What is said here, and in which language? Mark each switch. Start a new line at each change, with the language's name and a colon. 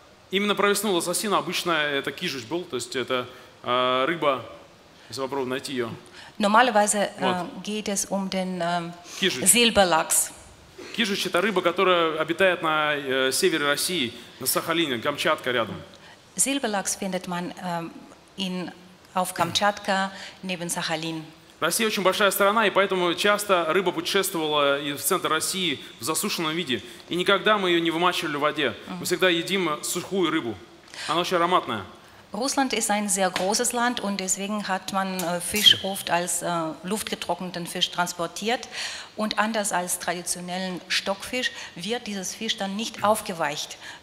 Russian: Именно провесную лососину обычно это кижуч был, то есть это рыба. Если попробую найти ее.
German: Normalerweise geht es um den Silberlachs.
Russian: Кижуч это рыба, которая обитает на севере России, на Сахалине, Камчатка рядом.
German: Silberlachs findet man in auf Kamtschatka neben Sachalin.
Russian: Россия очень большая страна, и поэтому часто рыба путешествовала в центр России в засушенном виде, и никогда мы ее не вымачивали в воде. Мы всегда едим сухую рыбу. Она очень ароматная.
German: Russland ist ein sehr großes Land und deswegen hat man Fisch oft als luftgetrockneten Fisch transportiert. Und anders als traditionellen Stockfisch wird dieses Fisch dann nicht aufgeweicht.